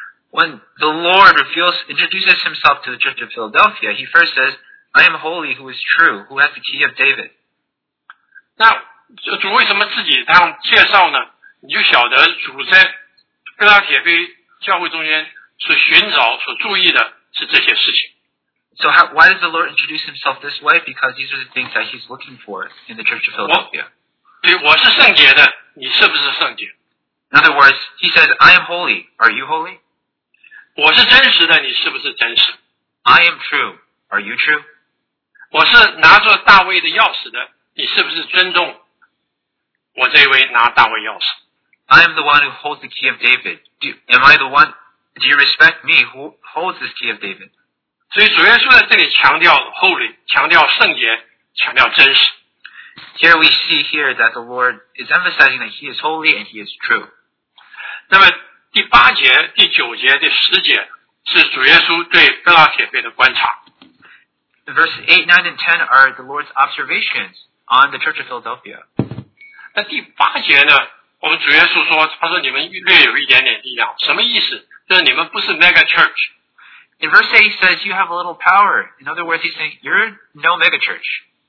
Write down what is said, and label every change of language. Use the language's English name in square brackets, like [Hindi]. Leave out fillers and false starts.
[English] When the Lord reveals, introduces himself to the church of Philadelphia, he first says, I am holy, who is true, who has the key of David. [Chinese] 那主为什么自己这样介绍呢？你就晓得主在腓拉铁菲教会中间所寻找、所注意的是这些事情。 [English] So how, why does the Lord introduce himself this way? Because these are the things that he's looking for in the Church of Philadelphia. [Chinese] 对，我是圣洁的，你是不是圣洁？ [English] In other words, he says, I am holy. Are you holy? [Chinese] 我是真实的，你是不是真实？ [English] I am true. Are you true? [Chinese] 我是拿着大卫的钥匙的，你是不是尊重我这位拿大卫钥匙？ [English] I am the one who holds the key of David. Do you respect me who holds this key of David? [Chinese] 所以主耶稣在这里强调 holy, 强调圣洁，强调真实。 [English] Here we see here that the Lord is emphasizing that he is holy and he is true. [Chinese] 那么第八节、第九节、第十节是主耶稣对腓拉铁菲的观察。 [English] Verses 8, 9, and 10 are the Lord's observations on the Church of Philadelphia. [Chinese] 那第八节呢，我们主耶稣说，他说你们略有一点点力量，什么意思？就是你们不是 [English] mega church, In verse 8, he says, you have a little power. In other words, he's saying, you're no megachurch.